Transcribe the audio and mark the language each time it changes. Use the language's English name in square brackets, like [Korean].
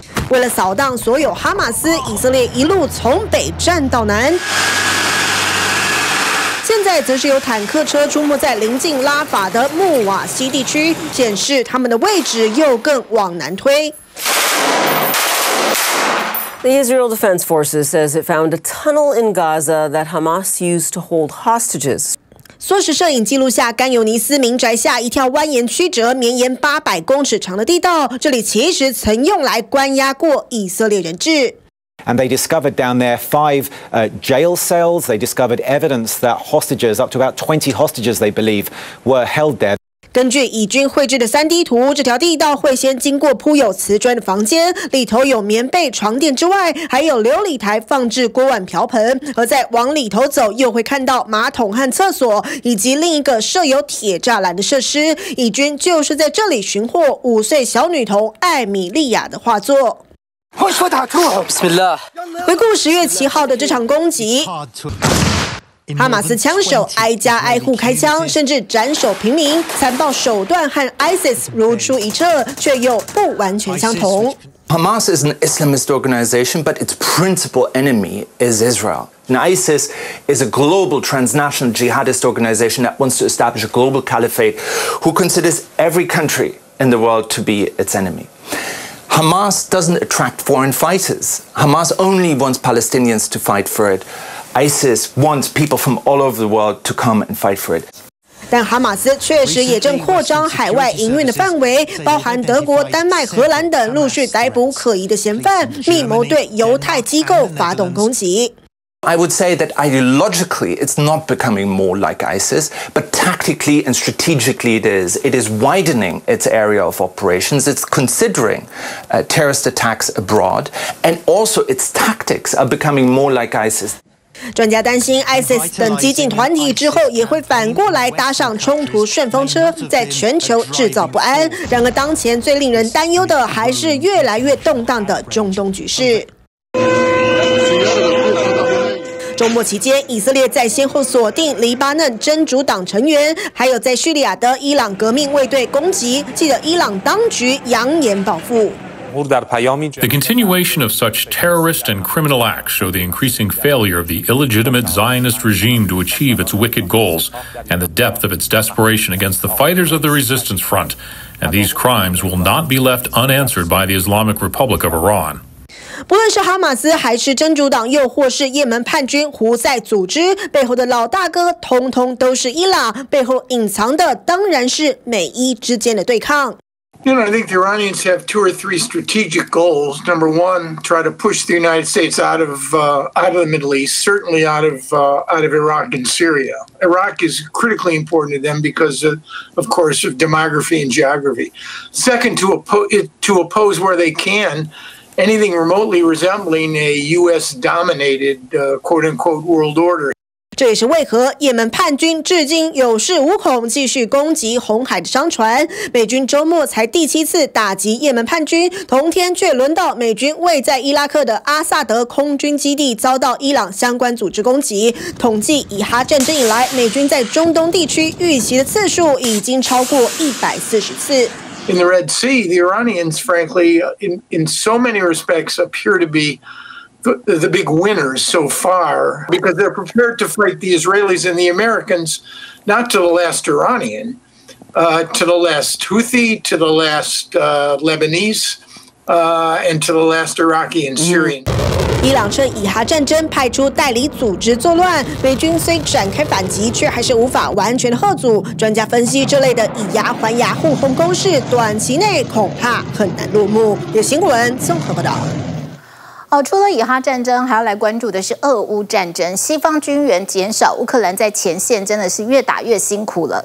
[Chinese] 为了扫荡所有哈马斯，以色列一路从北站到南，现在则是有坦克车出没在临近拉法的穆瓦西地区，显示他们的位置又更往南推。 [English] The Israel Defense Forces says it found a tunnel in Gaza that Hamas used to hold hostages. [Chinese] 缩时摄影记录下甘尤尼斯民宅下一条蜿蜒曲折、绵延800公尺长的地道，这里其实曾用来关押过以色列人质。 [English] And they discovered down there five jail cells. They discovered evidence that hostages, up to about 20 hostages, they believe, were held there. [Chinese] 根据以军绘制的 3D 图，这条地道会先经过铺有瓷砖的房间，里头有棉被、床垫之外，还有琉璃台放置锅碗瓢盆。而再往里头走，又会看到马桶和厕所，以及另一个设有铁栅栏的设施。以军就是在这里寻获五岁小女童艾米莉亚的画作。回顾十月七号的这场攻击。哈马斯枪手挨家挨户开枪，甚至斩首平民，残暴手段和 ISIS 如出一辙，却又不完全相同。 [English] Hamas is an Islamist organization, but its principal enemy is Israel. Now, ISIS is a global transnational jihadist organization that wants to establish a global caliphate, who considers every country in the world to be its enemy. Hamas doesn't attract foreign fighters. Hamas only wants Palestinians to fight for it. ISIS wants people from all over the world to come and fight for it. [Chinese] 但哈马斯确实也正扩张海外营运的范围，包含德国、丹麦、荷兰等陆续逮捕可疑的嫌犯，密谋对犹太机构发动攻击。 [English] I would say that ideologically it's not becoming more like ISIS, but tactically and strategically it is. It is widening its area of operations, it's considering terrorist attacks abroad, and also its tactics are becoming more like ISIS. [Chinese] 专家担心 ISIS 等激进团体之后也会反过来搭上冲突旋风车，在全球制造不安。然而当前最令人担忧的还是越来越动荡的中东局势。周末期间，以色列在先后锁定黎巴嫩真主党成员，还有在叙利亚的伊朗革命卫队攻击，记得伊朗当局扬言报复。 [English] The continuation of such terrorist and criminal acts show the increasing failure of the illegitimate Zionist regime to achieve its wicked goals and the depth of its desperation against the fighters of the resistance front. And these crimes will not be left unanswered by the Islamic Republic of Iran. [Chinese] 不论是哈马斯还是真主党，又或是也门叛军胡塞组织，背后的老大哥通通都是伊朗，背后隐藏的当然是美伊之间的对抗。 [English] You know, I think the Iranians have two or three strategic goals. Number one, try to push the United States out of the Middle East, certainly out of Iraq and Syria. Iraq is critically important to them because, of course, of demography and geography. Second, to oppose where they can anything remotely resembling a U.S.-dominated, quote-unquote, world order. [Chinese] 这也是为何也门叛军至今有恃无恐，继续攻击红海的商船。美军周末才第七次打击也门叛军，同天却轮到美军位在伊拉克的阿萨德空军基地遭到伊朗相关组织攻击。统计以哈战争以来，美军在中东地区遇袭的次数已经超过140次。 [English] In the Red Sea, the Iranians, frankly, in so many respects, appear to be. The big winners so far, because they're prepared to fight the Israelis and the Americans, not to the last Iranian, to the last Houthi, to the last Lebanese, and to the last Iraqi and Syrian. [Chinese] 伊朗趁以哈战争派出代理组织作乱，美军虽展开反击，却还是无法完全的吓阻。专家分析，这类的以牙还牙互轰攻势，短期内恐怕很难落幕。有新闻综合报道。除了以哈战争，还要来关注的是俄乌战争。西方军援减少，乌克兰在前线真的是越打越辛苦了。